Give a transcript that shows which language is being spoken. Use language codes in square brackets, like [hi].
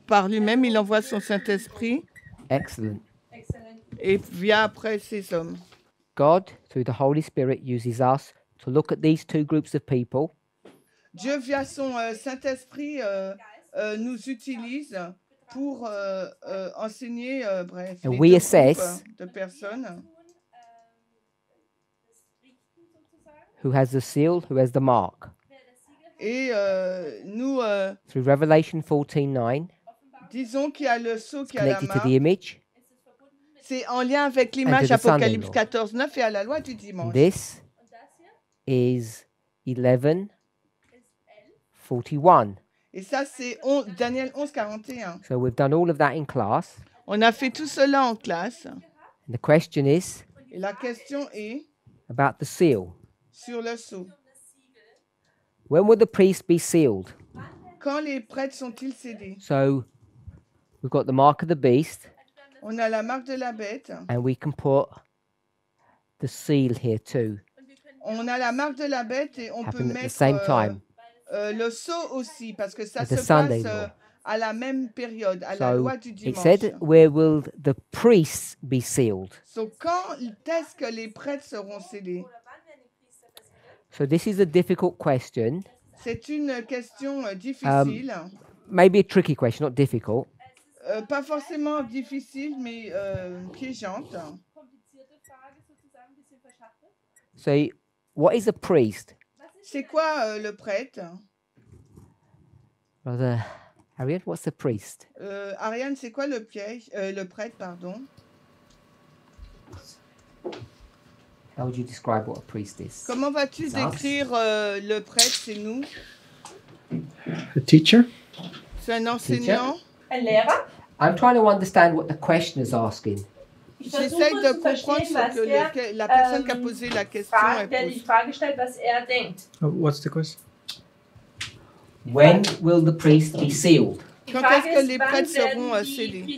[fr] Par lui-même, il envoie son Saint-Esprit. Excellent. Et vient après ses hommes. [en] God, through the Holy Spirit, uses us to look at these two groups of people. [fr] Dieu, via son Saint-Esprit, nous utilise pour enseigner, bref, [en] and [fr] les [en] we [fr] deux [en] assess [fr] groupes de personnes. [en] Who has the seal, who has the mark. [fr] Et nous... [en] through Revelation 14:9. [fr] Disons qu'il y a le sceau qui a la [en] marque. Connected to the image. [fr] C'est en lien avec l'image Apocalypse 14:9 et à la loi du dimanche. [en] And this is 11:41. [fr] Et ça c'est Daniel 11:41. [en] So we've done all of that in class. [fr] On a fait tout cela en classe. [en] And the question is... [fr] Et la question est... [en] About the seal. [fr] Sur le sceau. [en] When would the priest be sealed? [fr] Quand les prêtres sont-ils scellés? [en] So, we've got the mark of the beast. [fr] On a la marque de la bête. [en] And we can put the seal here too. [fr] on a la marque de la bête et on peut mettre le sceau aussi parce que ça se passe à la même période, à la loi du dimanche. [en] It said, where will the priests be sealed? [fr] So quand est-ce que les prêtres seront scellés? [en] So this is a difficult question. [fr] C'est une question difficile. [en] Maybe a tricky question, not difficult. [fr] Pas forcément difficile, mais piégeante. [en] So, what is a priest? [fr] C'est quoi le prêtre? [en] Brother Ariane, what's a priest? [fr] Ariane, c'est quoi le piège? Le prêtre, pardon. [en] How would you describe what a priest is? [fr] Comment vas-tu décrire le prêtre, c'est nous? [en] A teacher? [fr] C'est un enseignant? Un lehrer? [en] I'm trying to understand what the question is asking. [fr] J'essaie de comprendre ce que la personne qui a posé la question pose. [en] What's the question? When will the priest be sealed? [fr] Quand est-ce que les prêtres seront scellés?